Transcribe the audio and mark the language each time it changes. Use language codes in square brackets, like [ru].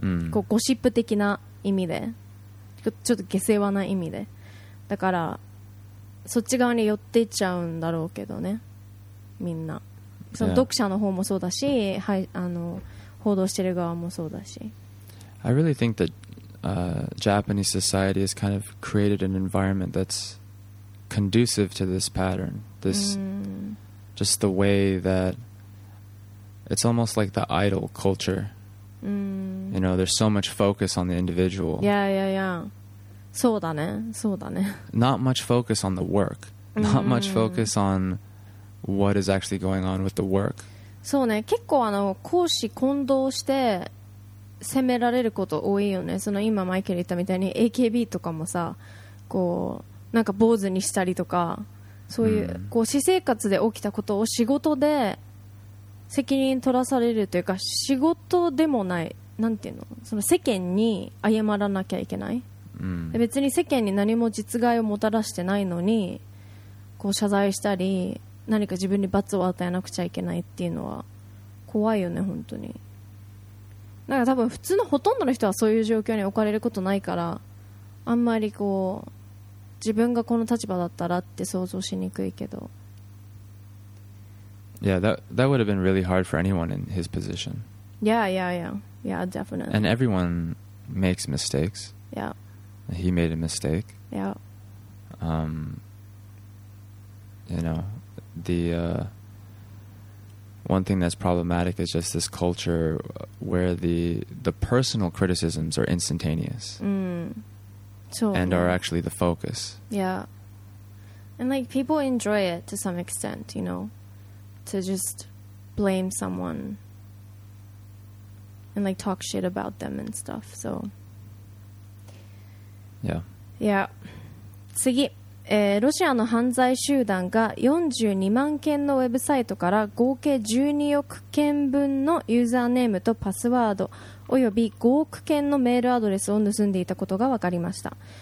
[ja] こうゴシップ的な意味で、ちょっと下世話な意味で、だからそっち側に寄っていっちゃうんだろうけどね、みんな、その読者の方もそうだし、はい、あの報道してる側もそうだし。 [en] I really think that Japanese society has kind of created an environment that's conducive to this pattern, this just the way that it's almost like the idol cultureyou know, there's so much focus on the individual. Yeah, yeah, yeah. [ja] そうだね、そうだね。 [en] Not much focus on the work. Not much focus on what is actually going on with the work. [ja] そうね、結構あの公私混同して責められること多いよね。その今マイケル言ったみたいに AKB とかもさ、こうなんか坊主にしたりとか、そういう、こう私生活で起きたことを仕事で責任取らされるというか、仕事でもない、なんていうの、その世間に謝らなきゃいけない、うん、別に世間に何も実害をもたらしてないのに、こう謝罪したり何か自分に罰を与えなくちゃいけないっていうのは怖いよね、本当に。なんか多分普通のほとんどの人はそういう状況に置かれることないから、あんまりこう自分がこの立場だったらって想像しにくいけど、 [en] Yeah, that would have been really hard for anyone in his position. Yeah, definitely. And everyone makes mistakes. Yeah. He made a mistake. Yeah. You know, the one thing that's problematic is just this culture where the personal criticisms are instantaneous. And are actually the focus. Yeah. And like people enjoy it to some extent, you know, to just blame someone and like talk shit about them and stuff. So. Yeah. Yeah. [ja] 次。ロシアの犯罪集団が42万件のウェブサイトから合計12億件分のユーザーネームとパスワードおよび5億件のメールアドレスを盗んでいたことが分かりました。